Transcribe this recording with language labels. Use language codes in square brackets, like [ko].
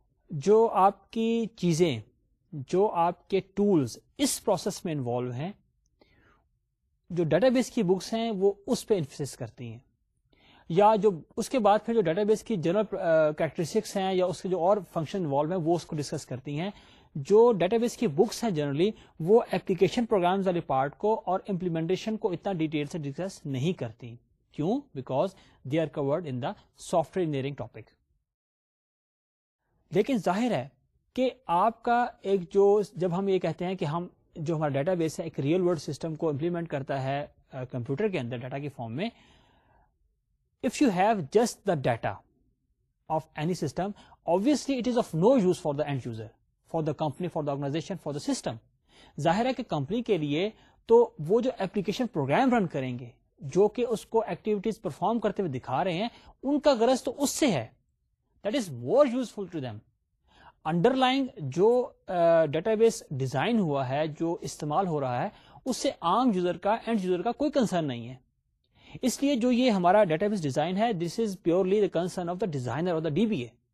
[ur] جو آپ کی چیزیں جو آپ کے ٹولز اس پروسیس میں انوالو ہیں جو ڈیٹا بیس کی بکس ہیں وہ اس پہ ایمفیسس کرتی ہیں, یا جو اس کے بعد پھر جو ڈیٹا بیس کی جنرل کیریکٹرسٹکس ہیں یا اس کے جو اور فنکشن انوالو ہیں وہ اس کو ڈسکس کرتی ہیں. جو ڈیٹا بیس کی بکس ہیں جنرلی وہ ایپلیکیشن پروگرامز والے پارٹ کو اور امپلیمنٹیشن کو اتنا ڈیٹیل سے ڈسکس نہیں کرتی. کیوں؟ [en] Because they are covered in the software engineering topic. [ur] لیکن ظاہر ہے کہ آپ کا ایک جو جب ہم یہ کہتے ہیں کہ ہم جو ہمارا ڈیٹا بیس ہے ایک ریئل ورلڈ سسٹم کو امپلیمنٹ کرتا ہے کمپیوٹر کے اندر ڈیٹا کے فارم میں, [en] if you have just the data of any system, obviously it is of no use for the end user, for the company, for the organization, for the system. [ur] ظاہر ہے کہ company کے لیے تو وہ جو ایپلیکیشن پروگرام رن کریں گے جو کہ اس کو ایکٹیویٹیز پرفارم کرتے ہوئے دکھا رہے ہیں ان کا غرض تو اس سے ہے, [en] that is more useful to them. [ur] Underlying جو ڈیٹا بیس ڈیزائن ہوا ہے جو استعمال ہو رہا ہے اس سے عام یوزر کا اینڈ یوزر کا کوئی کنسرن نہیں ہے. اس لیے جو یہ ہمارا ڈیٹا بیس ڈیزائن ہے [en] This is purely the concern of the designer of the D B A.